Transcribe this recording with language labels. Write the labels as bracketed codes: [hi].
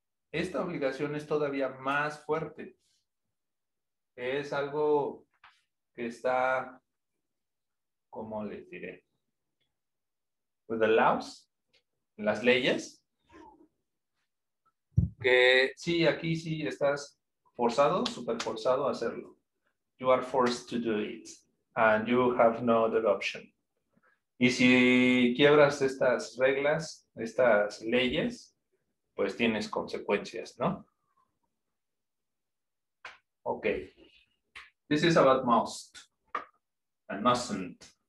[es] Esta obligación es todavía más fuerte. Es algo que está, ¿cómo les diré? [en] With the laws, [es] las leyes. Que sí, aquí sí estás forzado, súper forzado a hacerlo. [en] You are forced to do it and you have no other option. [es] Y si quiebras estas reglas, estas leyes, pues tienes consecuencias, ¿no? [en] Okay. This is about must and mustn't.